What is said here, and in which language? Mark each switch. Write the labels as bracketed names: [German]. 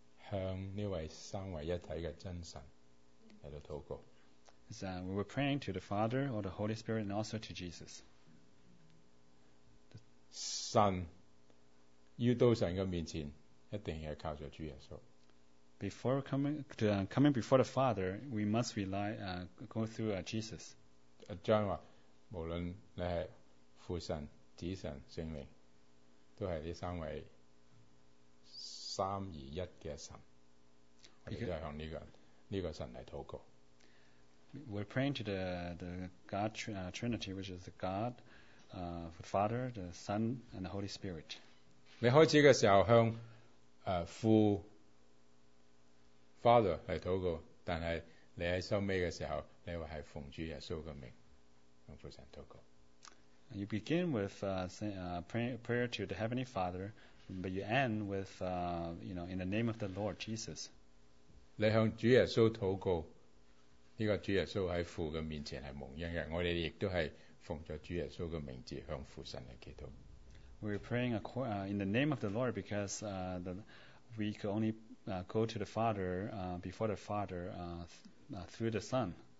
[Chinese] 向這位三位一體的真神來禱告 [English] We were praying to the Father or the Holy Spirit and also to Jesus. [Chinese] 神要到神的面前一定是靠著主耶穌 [English] Before coming before the Father, we must rely go through Jesus. [Chinese] John 說,無論你是父神、子神、聖靈,都是這三位三而一的神,我們都是向這個神來禱告。 [English] We're praying to the God Trinity, which is the God, the Father, the Son, and the Holy Spirit. [Chinese] 你開始的時候向 父 Father來禱告,但是你在收尾的時候,你會是奉主耶穌的名,奉父神禱告。 [English] You begin with prayer to the Heavenly Father, but you end with, in the name of the Lord Jesus. [Chinese] 你向主耶穌禱告,這個主耶穌在父的面前是蒙恩的,我們亦都是奉主耶穌的名字向父神來禱告。 [English] We're praying in the name of the Lord because we could only go to the Father before the Father through the Son.